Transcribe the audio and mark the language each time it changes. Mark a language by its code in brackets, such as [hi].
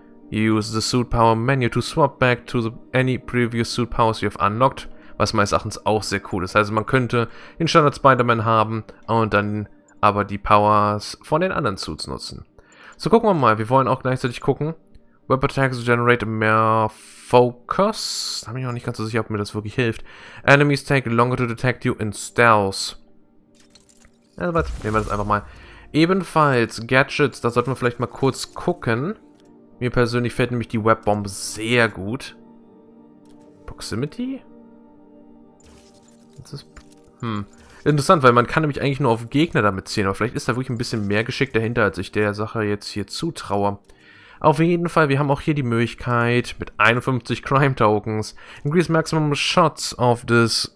[en] Use the suit power menu to swap back to any previous suit powers you have unlocked. [de] Was meines Erachtens auch sehr cool ist. Also man könnte den Standard Spider-Man haben und dann aber die Powers von den anderen Suits nutzen. So, gucken wir mal. Wir wollen auch gleichzeitig gucken. [en] Web Attacks generate [de] mehr Focus. Da bin ich noch nicht ganz so sicher, ob mir das wirklich hilft. [en] Enemies take longer to detect you in Stealth. [de] Also was, nehmen wir das einfach mal. Ebenfalls Gadgets, da sollten wir vielleicht mal kurz gucken. Mir persönlich fällt nämlich die Webbombe sehr gut. Proximity? Das ist interessant, weil man kann nämlich eigentlich nur auf Gegner damit zielen, aber vielleicht ist da wirklich ein bisschen mehr Geschick dahinter, als ich der Sache jetzt hier zutraue. Auf jeden Fall, wir haben auch hier die Möglichkeit mit 51 Crime Tokens. [en] Increase maximum shots of this.